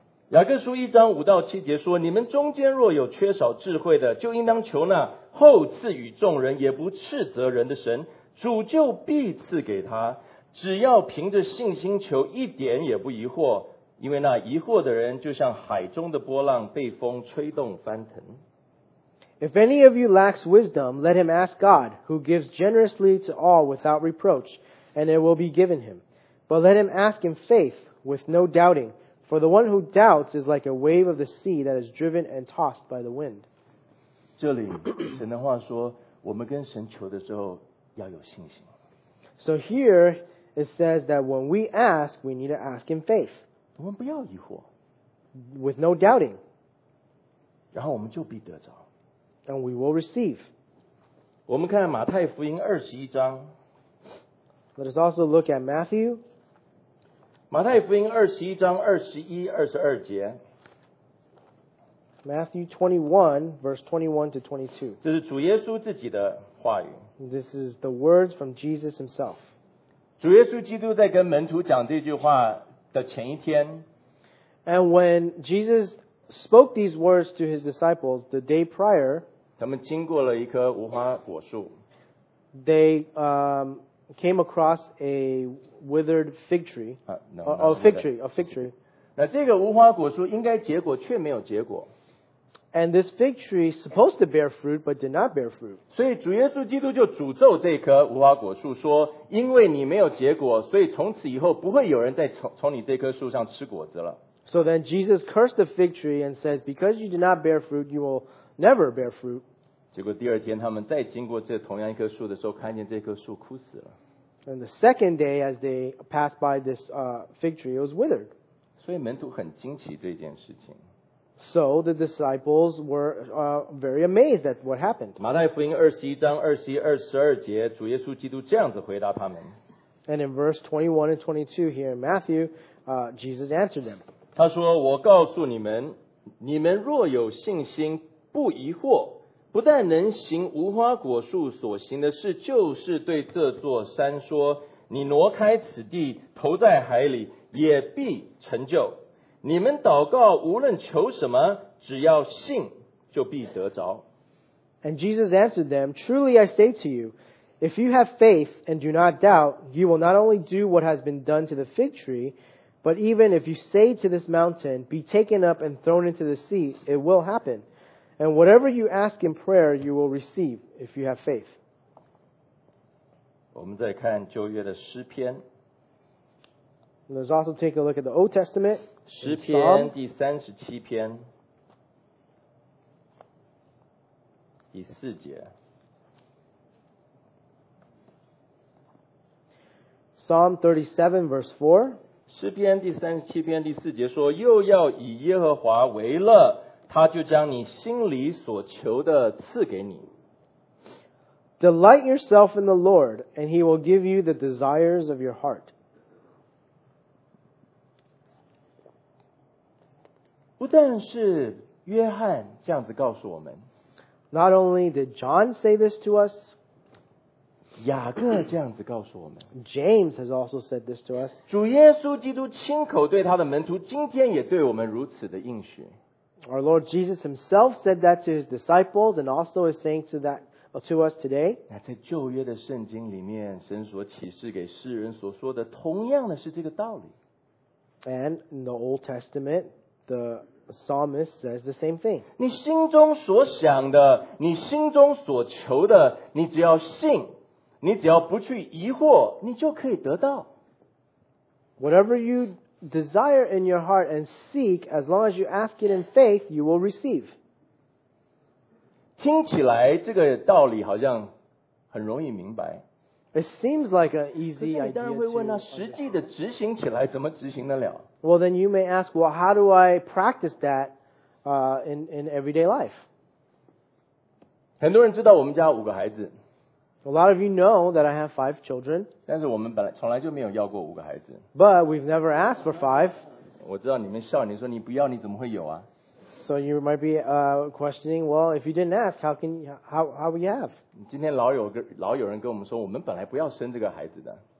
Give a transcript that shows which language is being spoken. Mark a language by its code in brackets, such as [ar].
[zh] 雅各书1:5-7说：“你们中间若有缺少智慧的，就应当求那厚赐与众人也不斥责人的神，主就必赐给他。只要凭着信心求，一点也不疑惑，因为那疑惑的人就像海中的波浪，被风吹动翻腾。” [en] If any of you lacks wisdom, let him ask God, who gives generously to all without reproach, and it will be given him. But let him ask in faith, with no doubting, for the one who doubts is like a wave of the sea that is driven and tossed by the wind. [zh] 这里神的话说，我们跟神求的时候要有信心。 [en] So here it says that when we ask, we need to ask in faith. [zh] 我们不要疑惑。 [en] With no doubting. [zh] 然后我们就必得着。 [en] And we will receive. [zh] 我们看马太福音21章。 [en] Let us also look at Matthew. [zh] 马太福音21:21-22。 [en] Matthew 21:21-22. [zh] 这是主耶稣自己的话语。 [en] This is the words from Jesus himself. [zh] 主耶稣基督在跟门徒讲这句话的前一天。 [en] And when Jesus spoke these words to his disciples the day prior, 他们经过了一棵无花果树。 They came across a withered fig tree. A fig tree. [zh] 那这个无花果树应该结果却没有结果。 [en] And this fig tree supposed to bear fruit, but did not bear fruit. [zh] 所以主耶稣基督就诅咒这棵无花果树说，因为你没有结果，所以从此以后不会有人再 从你这棵树上吃果子了。 [en] So then Jesus cursed the fig tree and says, because you did not bear fruit, you will... Never bear fruit. [zh] 结果第二天他们再经过这同样一棵树的时候看见这棵树枯死了。 [en] And the second day as they passed by this fig tree, it was withered. [zh] 所以门徒很惊奇这件事情。 [en] So the disciples were very amazed at what happened. [zh] 马太福音21:21-22，主耶稣基督这样子回答他们。 [en] And in verse 21 and 22 here in Matthew, Jesus answered them. [zh] 他说，我告诉你们，你们若有信心不疑惑，不但能行无花果树所行的事，就是对这座山说，你挪开此地，投在海里，也必成就。你们祷告，无论求什么，只要信，就必得着。 [en] And Jesus answered them, Truly I say to you, if you have faith and do not doubt, you will not only do what has been done to the fig tree, but even if you say to this mountain, Be taken up and thrown into the sea, it will happen. And whatever you ask in prayer, you will receive if you have faith. [zh] 我们再看旧约的诗篇。 [en] Let's also take a look at the Old Testament. [zh] 诗篇37篇。第4节。 [en] Psalm 37:4. [zh] 诗篇37篇第4节说，又要以耶和华为乐。他就将你心里所求的赐给你。 [en] Delight yourself in the Lord, and He will give you the desires of your heart. [zh] 不但是约翰这样子告诉我们。 [en] Not only did John say this to us, [zh] 雅各这样子告诉我们。 [en] James has also said this to us. [zh] 主耶稣基督亲口对他的门徒，今天也对我们如此的应许。 [en] Our Lord Jesus himself said that to his disciples and also is saying to us today. [zh] 在旧约的圣经里面，神所启示给世人所说的同样的是这个道理。 [en] And in the Old Testament, the psalmist says the same thing. [zh] 你心中所想的，你心中所求的，你只要信，你只要不去疑惑，你就可以得到。 [en] Whatever you... Desire in your heart and seek, as long as you ask it in faith, you will receive. [zh] 听起来这个道理好像很容易明白。 [en] It seems like an easy idea. [zh] 可是你当然会问那实际的执行起来怎么执行得了 [en] ？Well, then you may ask, well, how do I practice that in everyday life? [zh] 很多人知道我们家五个孩子。 [en] A lot of you know that I have 5 children. [zh] 但是我们本来从来就没有要过五个孩子。 [en] But we've never asked for 5. [zh] 我知道你们笑，你说你不要，你怎么会有啊 [en] ？So you might be questioning, well, if you didn't ask, how we have? [zh] 今天老有人跟我们说，我们本来不要生这个孩子的。